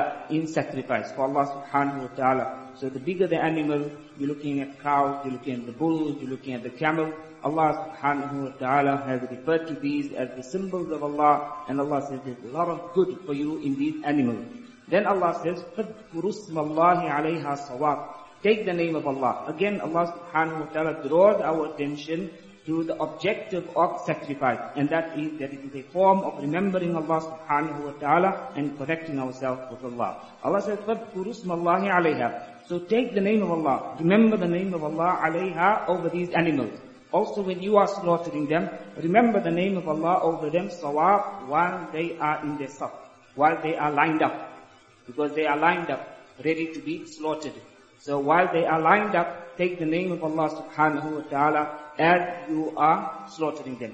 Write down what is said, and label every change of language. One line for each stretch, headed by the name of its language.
English: in sacrifice for Allah subhanahu wa ta'ala. So the bigger the animal, you're looking at cow, you're looking at the bull, you're looking at the camel, Allah subhanahu wa ta'ala has referred to these as the symbols of Allah, and Allah says there's a lot of good for you in these animals. Then Allah says,
Arabic: فَذْكُرُوا اسْمَ اللَّهِ عَلَيْهَا صَوَافَّ.
English: Take the name of Allah. Again, Allah subhanahu wa ta'ala draws our attention to the objective of sacrifice, and that is that it is a form of remembering Allah subhanahu wa ta'ala and connecting ourselves with Allah. Allah says,
Arabic: فَذْكُرُوا اسْمَ اللَّهِ عَلَيْهَا.
English: So take the name of Allah. Remember the name of Allah عَلَيْهَا over these animals. Also, when you are slaughtering them, remember the name of Allah over them, sawab, while they are in their saf, while they are lined up. Because they are lined up, ready to be slaughtered. So while they are lined up, take the name of Allah subhanahu wa ta'ala as you are slaughtering them.